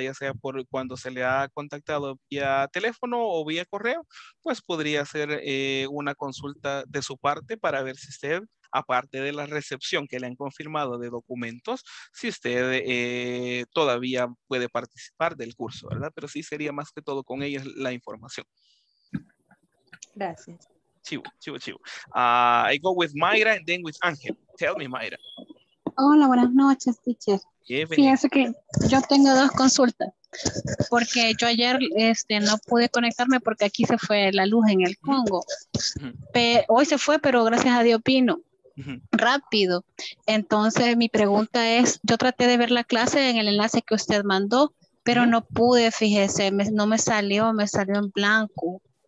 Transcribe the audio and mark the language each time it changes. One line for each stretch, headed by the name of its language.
Spanish: Ya sea por cuando se le ha contactado vía teléfono o vía correo, pues podría hacer una consulta de su parte para ver si usted, aparte de la recepción que le han confirmado de documentos, si usted todavía puede participar del curso, ¿verdad? Pero sí sería más que todo con ellos la información. Gracias. Chivo.
English: I go with Mayra and then with Ángel. Tell me, Mayra.
Spanish: Hola, buenas noches, teacher. Fíjense que yo tengo dos consultas, porque yo ayer no pude conectarme porque aquí se fue la luz en el Congo. Hoy se fue, pero gracias a Dios vino. Rápido. Entonces mi pregunta es, yo traté de ver la clase en el enlace que usted mandó, pero no pude, fíjese, no me salió en blanco.